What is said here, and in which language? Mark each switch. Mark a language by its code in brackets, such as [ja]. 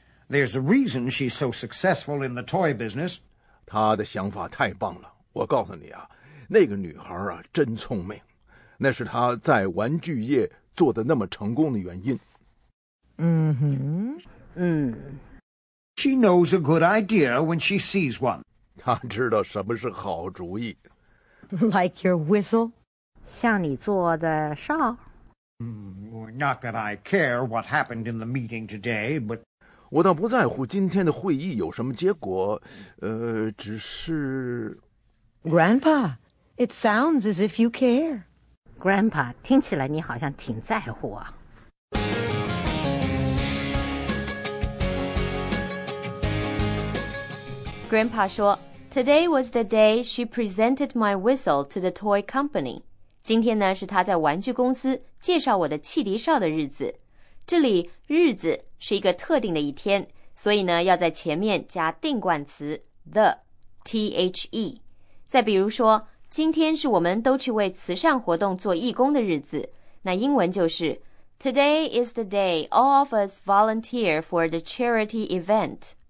[en] There's a reason she's so successful in the toy business. [zh] 她的想法太棒了，我告诉你啊，那个女孩啊，真聪明。那是他在玩具业做得那么成功的原因。嗯哼， [en] She knows a good idea when she sees one. [zh] 他知道什么是好主意。 [en] Like your whistle? [zh] 像你做的哨。 [en] Not that I care what happened in the meeting today, but... [zh] 我倒不在乎今天的会议有什么结果，只是... [en] Grandpa, it sounds as if you care. [zh] Grandpa, 听起来你好像挺在乎啊。 [en] Grandpa [zh] 说 [en] ,Today was the day she presented my whistle to the toy company. [zh] 今天呢是她在玩具公司介绍我的汽笛哨的日子。这里日子是一个特定的一天，所以呢要在前面加定冠词 the, T-H-E。再比如说今天是我们都去为慈善活动做义工的日子，那英文就是 [en] Today is the day all of us volunteer for the charity event.